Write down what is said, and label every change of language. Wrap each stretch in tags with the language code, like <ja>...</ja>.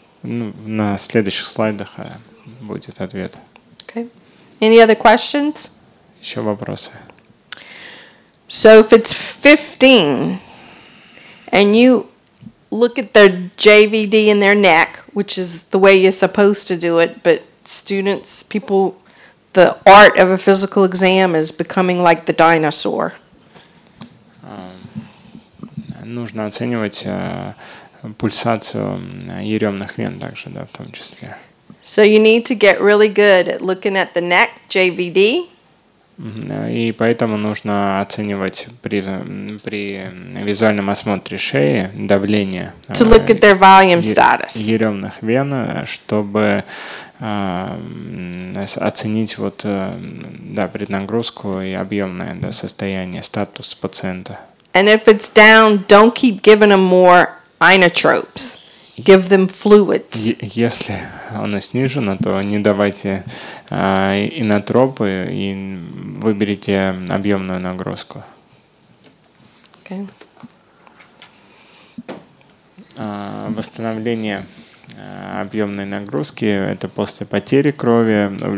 <ru>На следующих слайдах будет ответ.</ru> <en>Okay. Any other questions?</en> <ru>Еще вопросы?</ru> <en>So, if it's 15 and you look at their JVD in their neck, which is the way you're supposed to do it, but students, people, the art of a physical exam is becoming like the dinosaur.</en> <ru>Нужно оценивать пульсацию еремных вен также, да, в том числе.</ru> <en>So you need to get really good at looking at the neck JVD.</en> <ru>И поэтому нужно оценивать при визуальном осмотре шеи давление еремных вен, чтобы оценить вот, да, преднагрузку и объемное, да, состояние, статус пациента.</ru> <en>And if it's down, don't keep giving them more inotropes. Give them fluids.</en> <ru>Если оно снижено, то не давайте инотропы и выберите объемную нагрузку.</ru> <en>Okay.</en> <ru>Восстановление объемной нагрузки – это после потери крови.</ru>